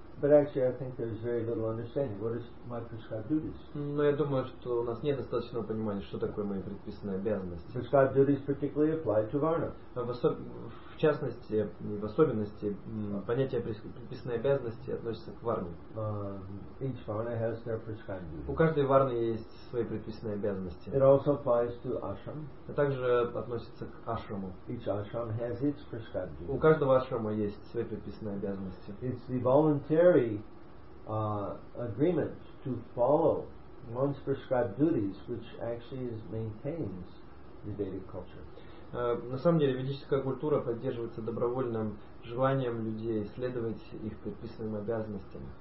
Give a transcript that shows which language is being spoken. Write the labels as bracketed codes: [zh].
[en] But actually, I think there's very little understanding. What is my prescribed duties? [ru] Но я думаю, что у нас нет достаточного понимания, что такое мои предписанные обязанности. [en] Prescribed duties particularly apply to Varna. [ru] В частности, в особенности, понятие предписанные обязанности относится к Варне. [en] Each Varna has their prescribed duties. [ru] У каждой Варны есть свои предписанные обязанности. [en] It also applies to Ashram. [ru] А также относится к Ашраму. [en] Each Ashram has its prescribed duties. [ru] У каждого Ашрама есть свои предписанные обязанности. [en] It's the voluntary agreement to follow one's prescribed duties, which actually maintains the Vedic culture. [ru] На самом деле ведическая культура поддерживается добровольным желанием людей следовать их предписанным обязанностям.